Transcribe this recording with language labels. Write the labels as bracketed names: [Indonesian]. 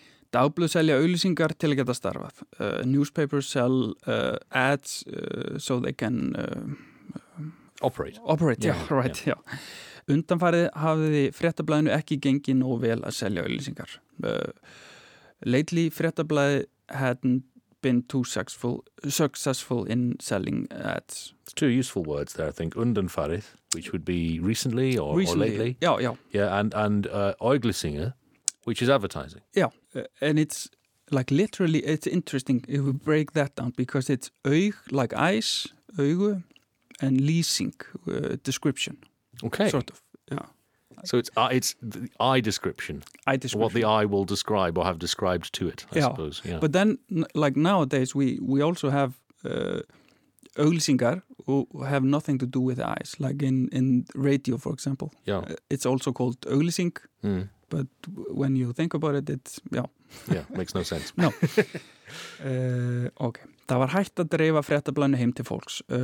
[Icelandic] Dagblöð selja auglýsingar til að geta starfað. [English] Newspapers sell ads so they can... Operate, yeah. [Icelandic] Undanfarið hafði fréttablaðinu ekki gengið nógu vel að selja auglýsingar. [English] Lately, Fréttablaði hadn't been too successful in selling ads. It's two useful words there, I think. Undanfarið, which would be recently or lately. And Auglýsingar, which is advertising. Yeah, and it's like literally, it's interesting if we break that down, because it's aug, like eyes, augu, and lýsing, description. Okay. Sort of, yeah. So it's the eye description. Eye description. What the eye will describe or have described to it, I suppose. Yeah. But then, like nowadays, we also have auglýsingar who have nothing to do with eyes. Like in radio, for example. Yeah. It's also called auglýsing. Mm. But when you think about it, it's, yeah. Yeah, makes no sense. No. Okay. [Icelandic] Það var hægt að dreifa fréttablaðinu heim til fólks.